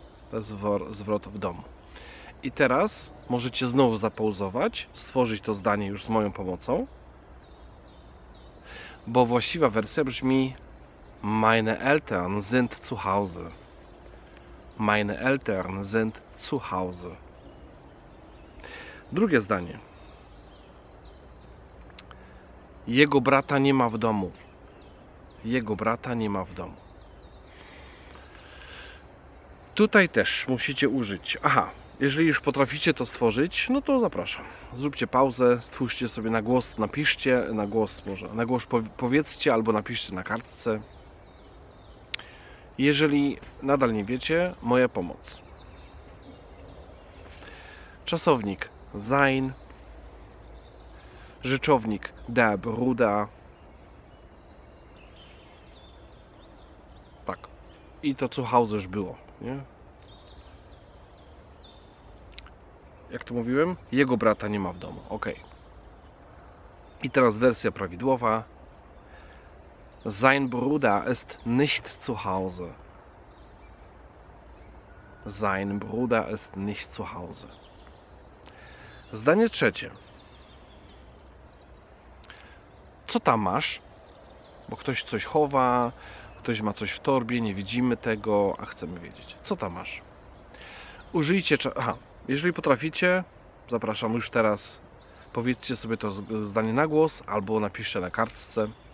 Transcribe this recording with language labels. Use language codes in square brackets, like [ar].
[pl] To jest zwrot w domu. I teraz możecie znowu zapauzować, stworzyć to zdanie już z moją pomocą, bo właściwa wersja brzmi [de] meine Eltern sind zu Hause. Meine Eltern sind zu Hause. [pl] Drugie zdanie. Jego brata nie ma w domu. Jego brata nie ma w domu. Tutaj też musicie użyć. Aha, jeżeli już potraficie to stworzyć, no to zapraszam. Zróbcie pauzę, stwórzcie sobie na głos, napiszcie, na głos może, na głos powiedzcie albo napiszcie na kartce. Jeżeli nadal nie wiecie, moja pomoc. Czasownik sein, rzeczownik der Bruder. Tak. I to zu Hause już było, nie? Jak to mówiłem? Jego brata nie ma w domu. Ok. I teraz wersja prawidłowa. [de] Sein Bruder ist nicht zu Hause. Sein Bruder ist nicht zu Hause. [pl] Zdanie trzecie. co tam masz? Bo ktoś coś chowa, ktoś ma coś w torbie, nie widzimy tego, a chcemy wiedzieć, co tam masz? Użyjcie, jeżeli potraficie, zapraszam już teraz, powiedzcie sobie to zdanie na głos, albo napiszcie na kartce.